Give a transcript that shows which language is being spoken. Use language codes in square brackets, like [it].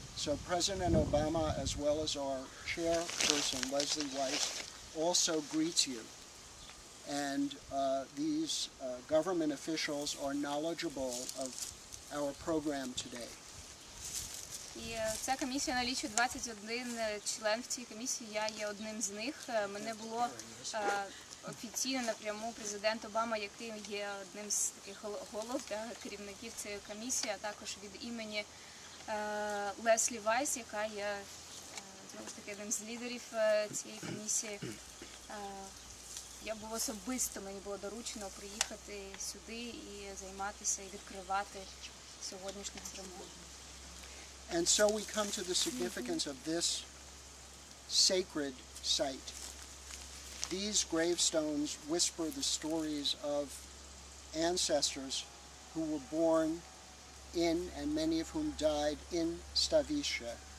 [en] So President Obama, as well as our chairperson, Leslie Weiss, also greets you. And these government officials are knowledgeable of our program today. [uk] І ця комісія налічує 21 член в цій комісії, я є одним з них. Мене було офіційно напряму президент Обама, який є одним з таких голов, да, керівників цієї комісії, а також від імені Леслі Вайс, яка є, знову ж таки, одним з лідерів цієї комісії. Я був особисто, мені було доручено приїхати сюди і займатися, і відкривати сьогоднішню церемонію. [en] And so we come to the significance of this sacred site. These gravestones whisper the stories of ancestors who were born in, and many of whom died in, Stavisha.